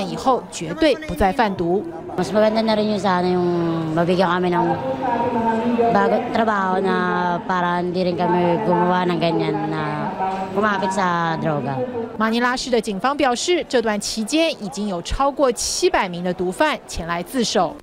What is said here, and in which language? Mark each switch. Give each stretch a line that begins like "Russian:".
Chinese: 毒贩和毒虫急着赶在6月30号新总统杜特地宣誓就职前自首，就是怕新政府上台后的雷厉风行。自首的人一个个排队登记，按下指纹进行身份建档，然后一五一十的交代犯行。吸毒的人会被安排进乐戒所，贩毒者可以获得特赦，但必须签下切结书，保证以后绝对不再贩毒。
Filipino: Mas maganda na rin yung sa ano yung mabigyan kami ng bago trabaho na para hindi rin kami gumawa ng ganyan na kumapit sa droga.
Chinese: 马尼拉市的警方表示，这段期间已经有超过700名的毒贩前来自首。